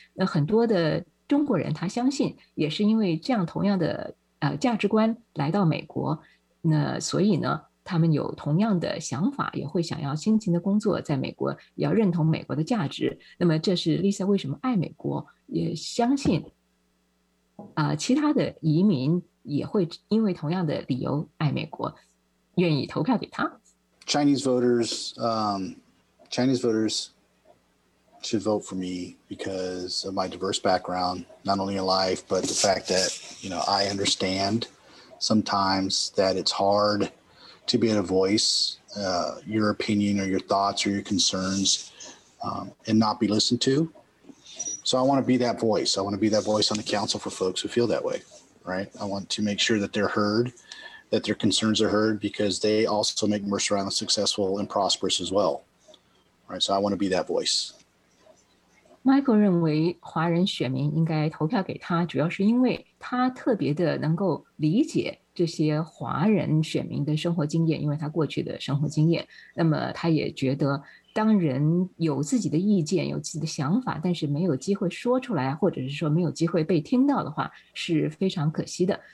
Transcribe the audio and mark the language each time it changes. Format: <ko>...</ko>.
<zh>那很多的中国人他相信也是因为这样同样的价值观来到美国，那所以呢他们有同样的想法，也会想要辛勤的工作，在美国也要认同美国的价值。那么这是 Lisa 为什么爱美国，也相信其他的移民也会因为同样的理由爱美国，愿意投票给他。</zh> <en>Chinese voters should vote for me because of my diverse background, not only in life, but the fact that, you know, I understand sometimes that it's hard to be able to voice your opinion or your thoughts or your concerns and not be listened to. So I want to be that voice. I want to be that voice on the council for folks who feel that way. Right. I want to make sure that they're heard, that their concerns are heard, because they also make Mercer Island successful and prosperous as well. Right. So I want to be that voice.</en> <zh>Michael 认为华人选民应该投票给他，主要是因为他特别的能够理解这些华人选民的生活经验，因为他过去的生活经验。那么他也觉得当人有自己的意见，有自己的想法，但是没有机会说出来，或者是说没有机会被听到的话，是非常可惜的。</zh>